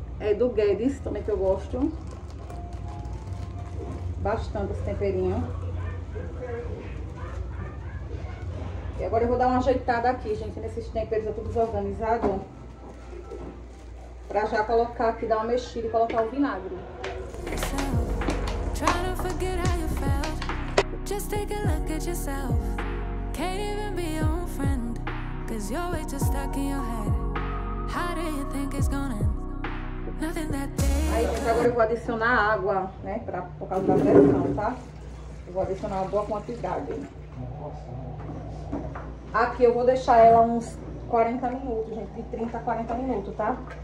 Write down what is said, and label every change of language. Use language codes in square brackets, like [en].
[pt] É do Guedes, também, que eu gosto bastante esse temperinho. E agora eu vou dar uma ajeitada aqui, gente, nesses temperos, eu tô desorganizado. Pra já colocar aqui, dar uma mexida e colocar o vinagre. [en] Try to forget how you felt. Just take a look at yourself. Can't even be your own friend. Cause you're way too stuck in your head. How do you think it's gonna end? Nothing that day. [pt] Aí, gente, agora eu vou adicionar água, né? Pra, por causa da pressão, tá? Eu vou adicionar uma boa quantidade. Aqui eu vou deixar ela uns 40 minutos, gente. De 30 a 40 minutos, tá?